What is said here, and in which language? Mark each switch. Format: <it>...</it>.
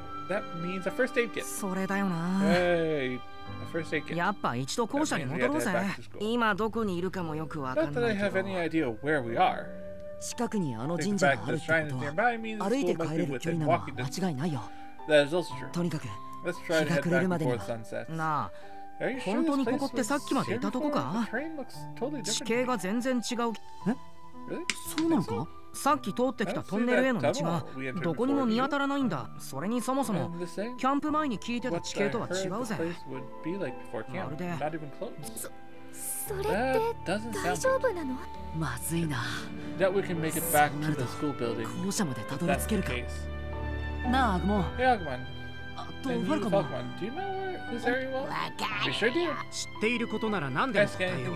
<en>That means a first aid kit. Hey, a first aid kit. Not that I have any idea where we are. In fact, the shrine is nearby means the school must be within walking distance. That is also true.</en> <ja>日が暮れるまでには。なあ、本当にここってさっきまでいたとこか？地形が全然違う。え？</ja> <en>Really?</en> <ja>そうなのか？さっき通ってきたトンネルへの道がどこにも見当たらないんだ。それにそもそもキャンプ前に聞いてた地形とは違うぜ。まるで。それって大丈夫なの？まずいな。</ja> <en>That we can make it back to the school building.</en> <ja>校舎までたどり着けるか。なあ、アグモン。</ja> <en>Hey, Agumon.</en> <ja>あと、ファルコ</ja> <en>マン。Do you know where this area was?</en> <ja>わかる。</ja> <en>Sure do.</en> <ja>知っていることなら何でも答えよう。</ja>